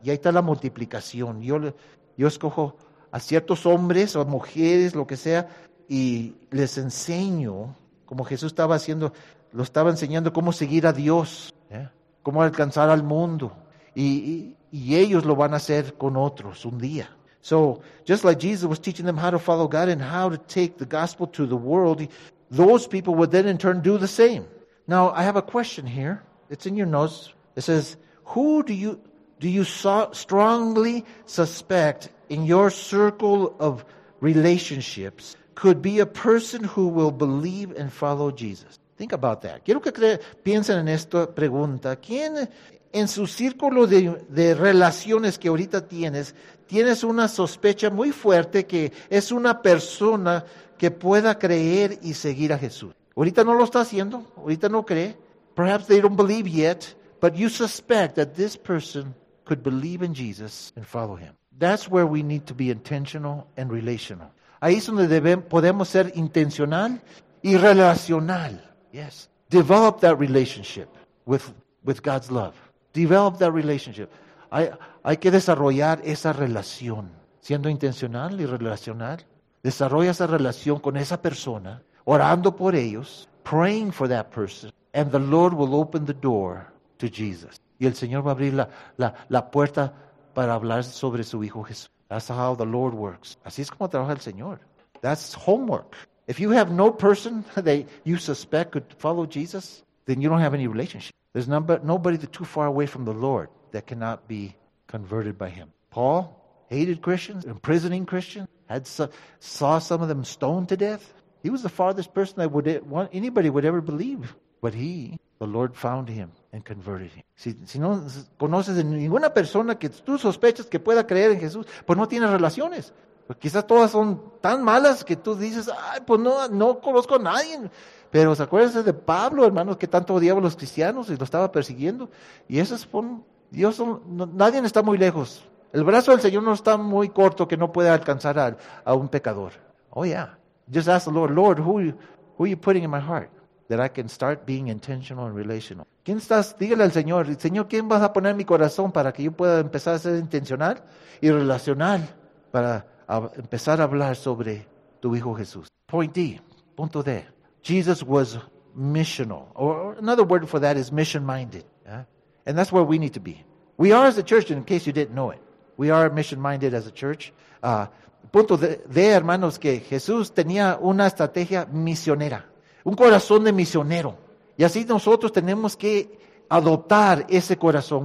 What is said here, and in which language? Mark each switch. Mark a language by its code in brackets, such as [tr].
[es] Y ahí está la multiplicación. Yo escojo a ciertos hombres o mujeres, lo que sea, y les enseño, como Jesús estaba haciendo, lo estaba enseñando cómo seguir a Dios, cómo alcanzar al mundo. Y ellos lo van a hacer con otros un día. [en] So, just like Jesus was teaching them how to follow God and how to take the gospel to the world, those people would then in turn do the same. Now, I have a question here. It's in your notes. It says, who do you strongly suspect in your circle of relationships could be a person who will believe and follow Jesus. Think about that. [es] Quiero que piensen en esta pregunta. ¿Quién en su círculo de relaciones que ahorita tienes, tienes una sospecha muy fuerte que es una persona que pueda creer y seguir a Jesús? Ahorita no lo está haciendo, ahorita no cree. [en] Perhaps they don't believe yet, but you suspect that this person could believe in Jesus and follow him. That's where we need to be intentional and relational. [es] Ahí es donde podemos ser intencional y relacional. [en] Yes. Develop that relationship with God's love. Develop that relationship. [es] Hay que desarrollar esa relación. Siendo intencional y relacional, desarrolla esa relación con esa persona, orando por ellos, [en] praying for that person, and the Lord will open the door to Jesus. [es] Y el Señor va a abrir la puerta para hablar sobre su Hijo Jesús. [en] That's how the Lord works. [es] Así es como trabaja el Señor. [en] That's homework. If you have no person that you suspect could follow Jesus, then you don't have any relationship. There's nobody too far away from the Lord that cannot be converted by him. Paul hated Christians, imprisoning Christians, saw some of them stoned to death. He was the farthest person that anybody would ever believe. But the Lord found him and converted him. [es] Si no conoces a ninguna persona que tú sospechas que pueda creer en Jesús, pues no tienes relaciones. Pues quizás todas son tan malas que tú dices, ay, pues no conozco a nadie. Pero ¿se acuerdan de Pablo, hermanos, que tanto odiaba a los cristianos y lo estaba persiguiendo? Y eso es, nadie está muy lejos. El brazo del Señor no está muy corto que no pueda alcanzar a un pecador. [en] Oh, yeah. Just ask the Lord, Lord, who are you putting in my heart that I can start being intentional and relational? [es] ¿Quién estás? Dígale al Señor, Señor, ¿quién vas a poner en mi corazón para que yo pueda empezar a ser intencional y relacional para empezar a hablar sobre tu Hijo Jesús? [en] Point D, [es] punto D. [en] Jesus was missional. Or another word for that is mission-minded. Yeah? And that's where we need to be. We are as a church, in case you didn't know it. We are mission-minded as a church. [es] Punto de hermanos, que Jesús tenía una estrategia misionera. Un corazón de misionero. Y así nosotros tenemos que adoptar ese corazón.